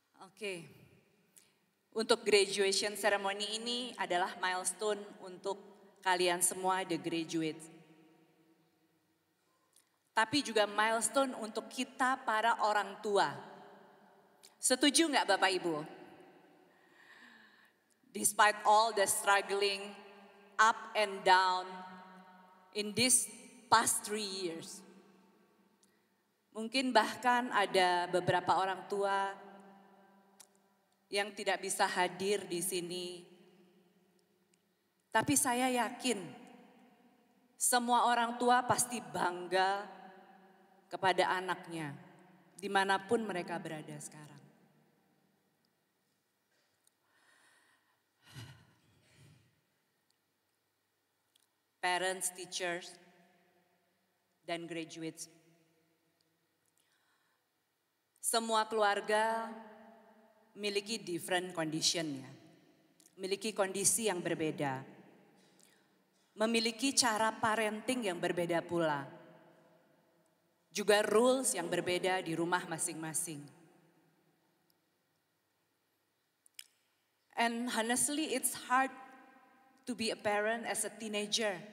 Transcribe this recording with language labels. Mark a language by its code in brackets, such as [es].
[id] Okay. Untuk [en] graduation ceremony [id] ini adalah milestone untuk kalian semua [en] the graduates. [id] Tapi juga milestone untuk kita para orang tua. Setuju enggak Bapak Ibu? [en] Despite all the struggling up and down in this past 3 years. [id] Mungkin bahkan ada beberapa orang tua yang tidak bisa hadir di sini. Tapi saya yakin semua orang tua pasti bangga kepada anaknya dimanapun mereka berada sekarang. [en] Parents, teachers, dan graduates. [id] Semua keluarga miliki [en] different condition, [id] ya. Miliki kondisi yang berbeda. Memiliki cara parenting yang berbeda pula. Juga rules yang berbeda di rumah masing-masing. [en] And honestly, it's hard to be a parent as a teenager.